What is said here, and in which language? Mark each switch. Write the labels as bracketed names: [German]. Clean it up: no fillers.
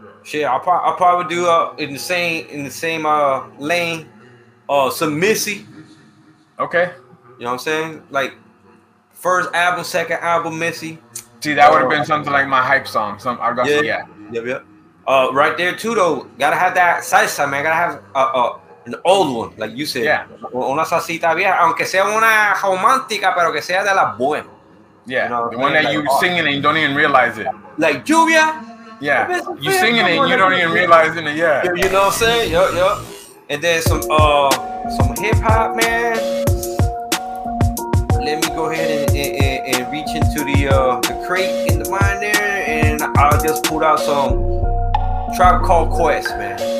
[English] Shit, I'll probably do in the same lane, some Missy. Okay. You know what I'm saying? Like, first album, second album, Missy. See, that would have been something like my hype song. Some I got yeah. Some, yeah. Yep, yep. Right there too, though. Gotta have that salsa, man. Gotta have an old one, like you said. Yeah. [Spanish] Una salsita vieja, aunque sea una romántica, pero que sea de la buena. [English] Yeah. You know, the one that like, you're singing and you don't even realize it. Like lluvia. Yeah. You singing it and you don't even realize it. Yeah. You know what I'm saying? Yup, yup. And then some hip hop, man. Let me go ahead and reach into the crate in the mine there, and I'll just pull out some Tribe Called Quest, man.